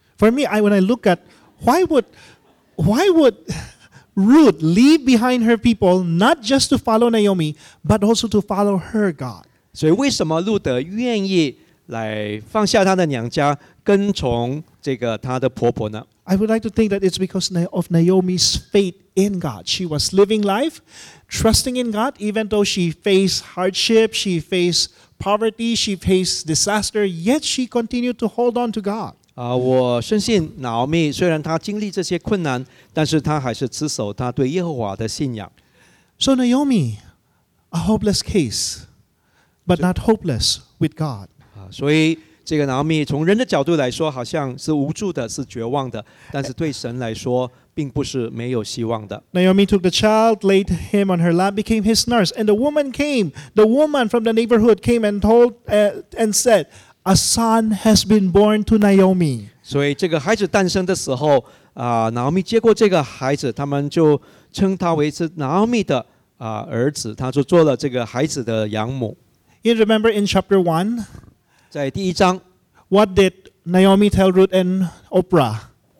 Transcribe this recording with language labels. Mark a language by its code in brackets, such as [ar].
[en] For me, when I look at why would Ruth leave behind her people not just to follow Naomi, but also to follow her God? [zh] So, 为什么路德愿意来放下她的娘家，跟从这个她的婆婆呢？ [en] I would like to think that it's because of Naomi's faith in God. She was living life, trusting in God, even though she faced hardship, she faced poverty, she faced disaster, yet she continued to hold on to God. [zh] 我深信娜奥米虽然她经历这些困难，但是她还是持守她对耶和华的信仰。 [en] So Naomi, a hopeless case, but not hopeless with God. [zh] 所以这个娜奥米从人的角度来说好像是无助的，是绝望的，但是对神来说并不是没有希望的。 [en] Naomi took the child, laid him on her lap, became his nurse, and the woman from the neighborhood came and said, a son has been born to Naomi. [zh] 所以这个孩子诞生的时候，娜奥米接过这个孩子，他们就称他为是娜奥米的儿子，他就做了这个孩子的养母。 [en] You remember in chapter 1? [zh] 在第一章 [en] What did Naomi tell Ruth and Oprah?